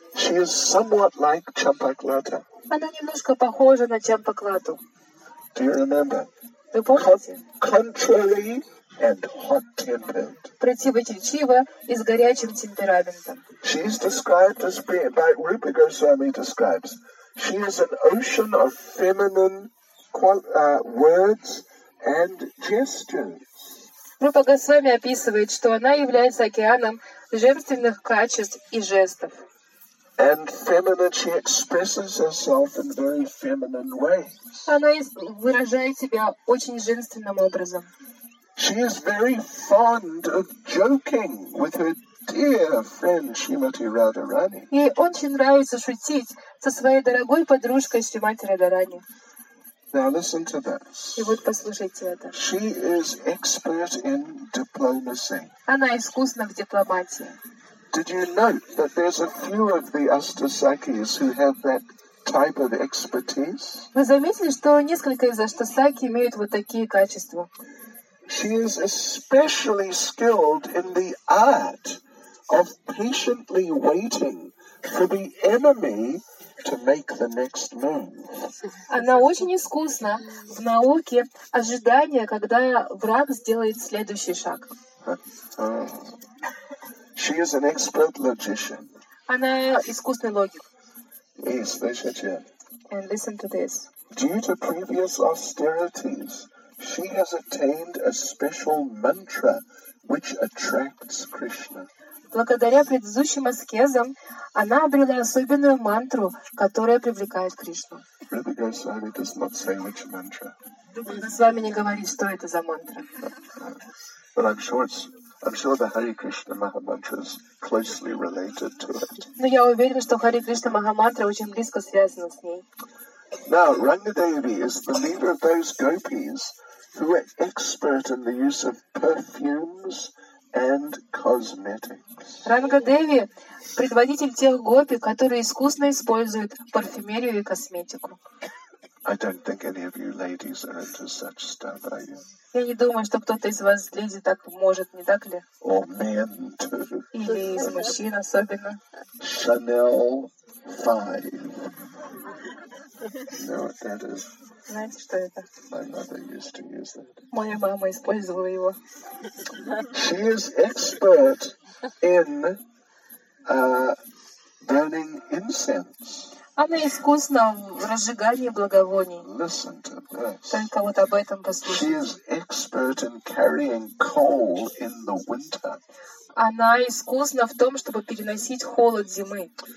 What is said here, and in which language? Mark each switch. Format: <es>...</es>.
<en>She is somewhat like Champaklata.</en> <ru>Она немножко похожа на Чампаклату.</ru> <en>Do you remember?</en> <ru>Вы помните?</ru> <en>Contrary and hot-tempered.</en> <ru>Противоречиво и с горячим темпераментом.</ru> <en>She is described as by Rupa Goswami describes. She is an ocean of feminine words and gestures.</en> <ru>Рупа Госвами описывает, что она является океаном женственных качеств и жестов.</ru> <en>And feminine, she expresses herself in very feminine ways.</en> <ru>Она выражает себя очень женственным образом.</ru> <en>She is very fond of joking with her dear friend Shrimati Radharani.</en> <ru>Ей очень нравится шутить со своей дорогой подружкой Шримати Радарани.</ru> <en>Now listen to this.</en> <ru>И вот послушайте это.</ru> <en>She is expert in diplomacy.</en> <ru>Она искусна в дипломатии.</ru> <en>Did you note that there's a few of the Ashtasakhis who have that type of expertise?</en> <ru>Вы заметили, что несколько из Ashtasakhi имеют вот такие качества?</ru> <en>She is especially skilled in the art of patiently waiting for the enemy to make the next move.</en> <ru>Она очень искусна в науке ожидания, когда враг сделает следующий шаг.</ru> <en>She is an expert logician.</en> <ru>Она искусный логик.</ru> <en>Yes, listen to this. Due to previous austerities, she has attained a special mantra which attracts Krishna.</en> <ru>Благодаря предыдущим аскезам, она обрела особенную мантру, которая привлекает Кришну.</ru> <en>Rupa Goswami does not say which mantra.</en> <ru>Goswami не говорит, что это за мантра.</ru> <en>But I'm sure the Hare Krishna Mahamantra is closely related to it.</en> <ru>Но я уверена, что Hare Krishna Mahamantra очень близко связана с ней.</ru> <en>Now, Rangadevi is the leader of those gopis who are expert in the use of perfumes and cosmetics.</en> <ru>Рангадеви – предводитель тех гопи, которые искусно используют парфюмерию и косметику.</ru> <en>I don't think any of you ladies are into such stuff, are you?</en> <ru>Я не думаю, что кто-то из вас, леди, так может, не так ли?</ru> <en>Or men too.</en> <ru>Или из мужчин особенно.</ru> <en>Chanel 5. You know what that is?</en> <ru>Знаете, что это?</ru> <en>My mother used to use that.</en> <ru>Моя мама использовала его.</ru> <en>She is expert in burning incense.</en> <ru>Она искусна в разжигании благовоний.</ru> <en>Listen to this.</en> <ru>Только вот об этом послушайте.</ru> <en>She is expert in carrying coal in the winter.</en> <ru>Она искусна в том, чтобы переносить холод зимы.</ru>